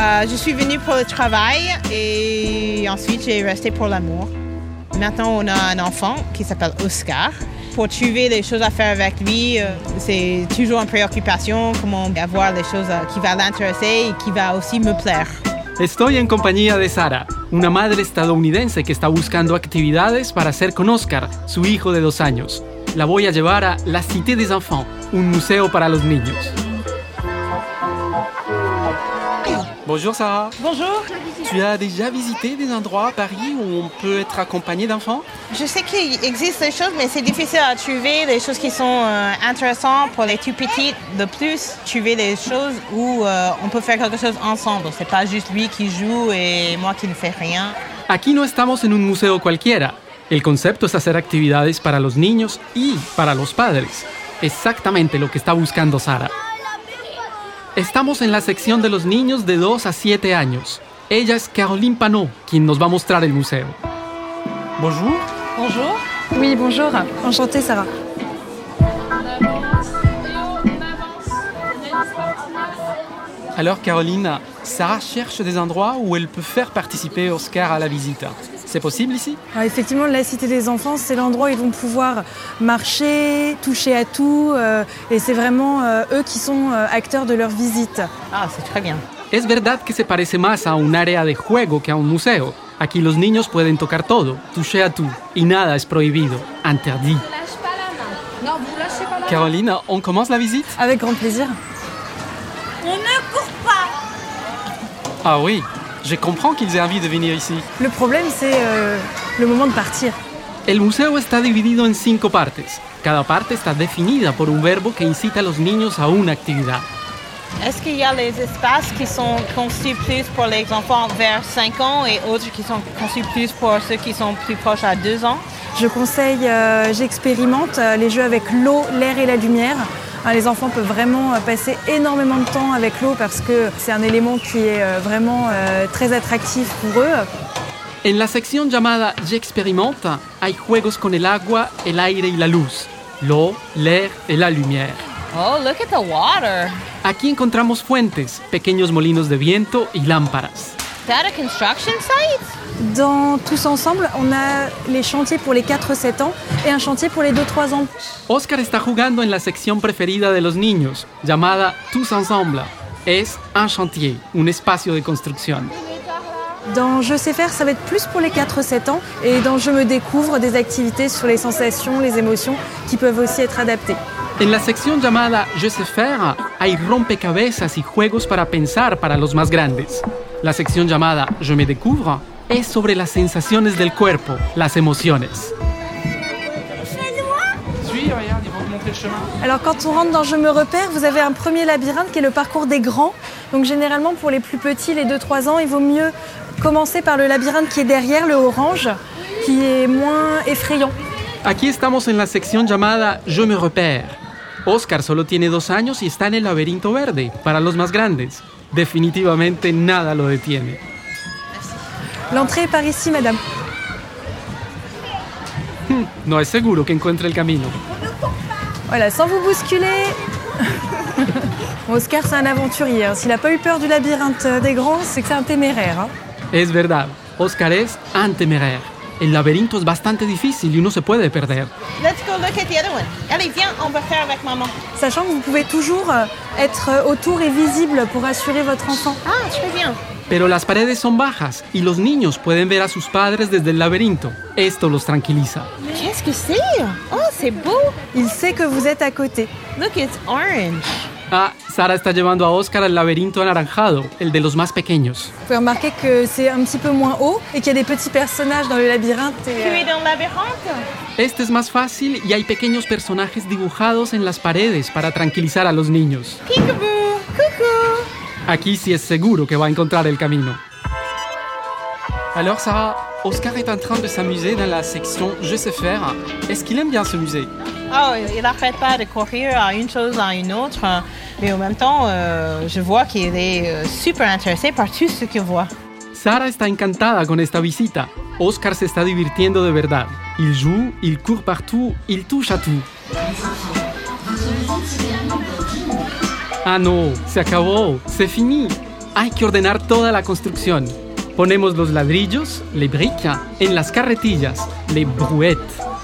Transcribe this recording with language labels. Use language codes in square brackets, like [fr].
[fr] Je suis venue pour le travail et ensuite j'ai resté pour l'amour. Maintenant on a un enfant qui s'appelle Oscar. Pour trouver les choses à faire avec lui, c'est toujours une préoccupation, comment avoir les choses qui vont l'intéresser et qui vont aussi me plaire. [es] Estoy en compañía de Sara, una madre estadounidense que está buscando actividades para hacer con Oscar, su hijo de 2 años. La voy a llevar a la Cité des Enfants, un museo para los niños. [fr] Bonjour Sarah. Bonjour. Tu as déjà visité des endroits à Paris où on peut être accompagné d'enfants? Je sais qu'il existe des choses, mais c'est difficile à trouver des choses qui sont intéressantes pour les tout petits. De plus, trouver des choses où on peut faire quelque chose ensemble. C'est pas juste lui qui joue et moi qui ne fais rien. [es] Aquí no estamos en un museo cualquiera. El concepto es hacer actividades para los niños y para los padres. Exactamente lo que está buscando Sara. Estamos en la sección de los niños de 2 a 7 años. Ella es Caroline Panot, quien nos va a mostrar el museo. [fr] Bonjour. Bonjour. Oui, bonjour. Enchanté, Sarah. Alors, Caroline, Sarah cherche des endroits où elle peut faire participer Oscar à la visite. C'est possible ici ? Ah, effectivement, la Cité des Enfants, c'est l'endroit où ils vont pouvoir marcher, toucher à tout. Et c'est vraiment eux qui sont acteurs de leur visite. Ah, c'est très bien. [es] Es verdad que se parece más a un área de juego que a un museo. Aquí los niños pueden tocar todo, [fr] toucher à tout, [es] y nada es prohibido, interdit. [fr] Lâche pas la main. Non, vous lâchez pas la main. Caroline, on commence la visite ? Avec grand plaisir. On ne court pas. Ah oui, je comprends qu'ils aient envie de venir ici. Le problème, c'est le moment de partir. [es] El museo está dividido en 5 partes. Cada parte está definida por un verbo que incita a los niños a una actividad. [fr] Est-ce qu'il y a les espaces qui sont conçus plus pour les enfants vers 5 ans et autres qui sont conçus plus pour ceux qui sont plus proches à 2 ans? Je conseille, j'expérimente les jeux avec l'eau, l'air et la lumière. Les enfants peuvent vraiment passer énormément de temps avec l'eau parce que c'est un élément qui est vraiment très attractif pour eux. [es] En la sección llamada J'expérimente, hay juegos con el agua, el aire y la luz. [fr] L'eau, l'air et la lumière. [en] Oh, look at the water. [es] Aquí encontramos fuentes, pequeños molinos de viento y lámparas. [en] Is that a construction site? [fr] Dans Tous Ensemble, on a les chantiers pour les 4-7 ans et un chantier pour les 2-3 ans. [es] Oscar está jugando en la sección preferida de los niños, llamada Tous Ensemble. Es un chantier, un espacio de construcción. [fr] Dans Je sais faire, ça va être plus pour les 4-7 ans et dans Je me découvre, des activités sur les sensations, les émotions qui peuvent aussi être adaptées. [es] En la sección llamada Je sais faire, hay rompecabezas y juegos para pensar para los más grandes. La sección llamada Je me découvre es sobre las sensaciones del cuerpo, las emociones. [fr] Alors quand on rentre dans Je me repère, vous avez un premier labyrinthe qui est le parcours des grands. Donc généralement pour les plus petits, les 2-3 ans, il vaut mieux commencer par le labyrinthe qui est derrière, le orange, qui est moins effrayant. [es] Aquí estamos en la sección llamada Je me repère. Oscar solo tiene 2 años y está en el laberinto verde, para los más grandes. Definitivamente nada lo detiene. [fr] L'entrée est par ici, madame. [es] No es seguro que encuentre el camino. [fr] Voilà, sans vous bousculer. Oscar, c'est un aventurier. S'il n'a pas eu peur du labyrinthe des grands, c'est que c'est un téméraire. [es] Es verdad, Oscar es un téméraire. El laberinto es bastante difícil y uno se puede perder. [en] Let's go look at the other one. [fr] Allez, viens, on va faire avec maman. Sachant que vous pouvez toujours être autour et visible pour assurer votre enfant. Ah, très bien. [es] Pero las paredes son bajas y los niños pueden ver a sus padres desde el laberinto. Esto los tranquiliza. [fr] Qu'est-ce que c'est? Oh, c'est beau. Il sait que vous êtes à côté. [en] Look, it's orange. [es] Ah, Sara está llevando a Oscar al laberinto anaranjado, el de los más pequeños. [fr] Vous pouvez remarquer que c'est un petit peu moins haut et qu'il y a des petits personnages dans le labyrinthe. Tu es dans le labyrinthe? [es] Este es más fácil y hay pequeños personajes dibujados en las paredes para tranquilizar a los niños. [en] Peek-a-boo, coucou. [es] Aquí sí es seguro que va a encontrar el camino. [fr] Alors, Sarah, Oscar est en train de s'amuser dans la section « Je sais faire ». Est-ce qu'il aime bien ce musée? Oh, il n'arrête pas de courir à une chose à une autre. Mais en même temps, je vois qu'il est super intéressé par tout ce qu'il voit. [es] Sara está encantada con esta visita. Oscar se está divirtiendo de verdad. [fr] Il joue, il court partout, il touche à tout. [es] Ah no, se acabó, [fr] c'est fini. [es] Hay que ordenar toda la construcción. Ponemos los ladrillos, [fr] les briques, [es] en las carretillas, [fr] les brouettes.